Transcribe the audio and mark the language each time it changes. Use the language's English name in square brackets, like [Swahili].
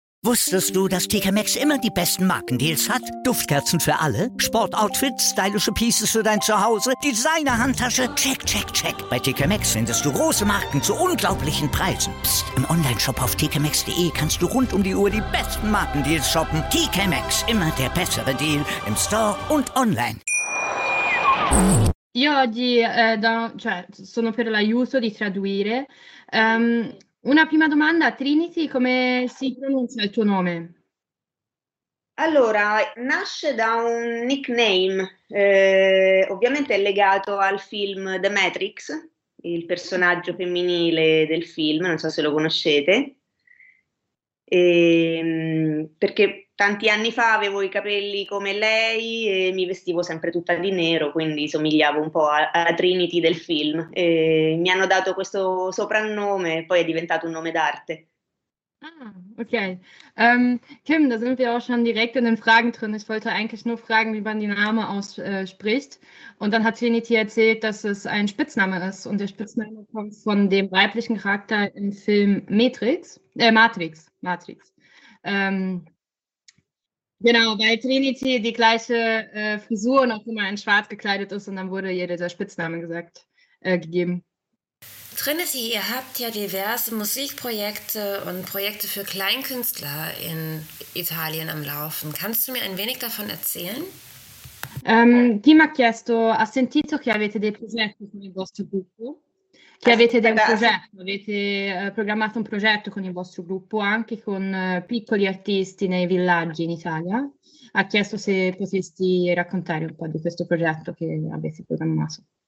[German] Wusstest du, dass TK Maxx immer die besten Markendeals hat? Duftkerzen für alle, Sportoutfits, stylische Pieces für dein Zuhause, Designer-Handtasche, check, check, check. Bei TK Maxx findest du große Marken zu unglaublichen Preisen. Psst. Im Onlineshop auf tkmaxx.de kannst du rund um die Uhr die besten Markendeals shoppen. TK Maxx, immer der bessere Deal im Store und online. [Italian] Io oggi sono per l'aiuto di traduire. Una prima domanda, Trinity, come si pronuncia il tuo nome? Allora, nasce da un nickname, ovviamente legato al film The Matrix, il personaggio femminile del film, non so se lo conoscete, perché tanti anni fa avevo i capelli come lei e mi vestivo sempre tutta di nero, quindi somigliavo un po' alla Trinity del film. E mi hanno dato questo soprannome e poi è diventato un nome d'arte. Ah, okay. [German] Kim, da sind wir auch schon direkt in den Fragen drin. Ich wollte eigentlich nur fragen, wie man die Namen ausspricht. Und dann hat Trinity erzählt, dass es ein Spitzname ist. Und der Spitzname kommt von dem weiblichen Charakter im Film Matrix. Genau, weil Trinity die gleiche Frisur noch immer in Schwarz gekleidet ist und dann wurde ihr dieser Spitzname gegeben. Trinity, ihr habt ja diverse Musikprojekte und Projekte für Kleinkünstler in Italien am Laufen. Kannst du mir ein wenig davon erzählen? [Italian] Ti m'ha chiesto, ha sentito che avete dei progetti con il vostro gruppo? Che avete dei progetti? Avete programmato un progetto con il vostro gruppo anche con piccoli artisti nei villaggi in Italia? Ha chiesto se potresti raccontare un po' di questo progetto che avete programmato.